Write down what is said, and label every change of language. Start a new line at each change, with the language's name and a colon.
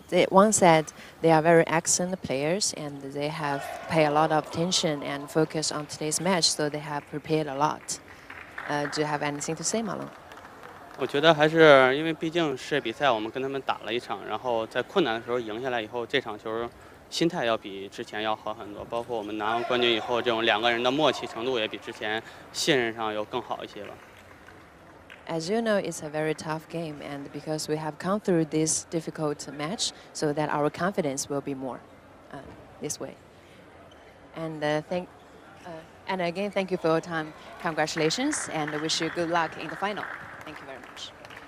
English: One said they are very excellent players and they have paid a lot of attention and focus on today's match, so they have prepared a lot. Do you have anything to say, Malone?
Chinese: 我觉得还是因为毕竟是比赛，我们跟他们打了一场，然后在困难的时候赢下来以后，这场球心态要比之前要好很多，包括我们拿完冠军以后，这种两个人的默契程度也比之前信任上又更好一些了。
English: As you know, it's a very tough game, and because we have come through this difficult match, so that our confidence will be more this way. And again, thank you for your time. Congratulations, and wish you good luck in the final. Thank you very much.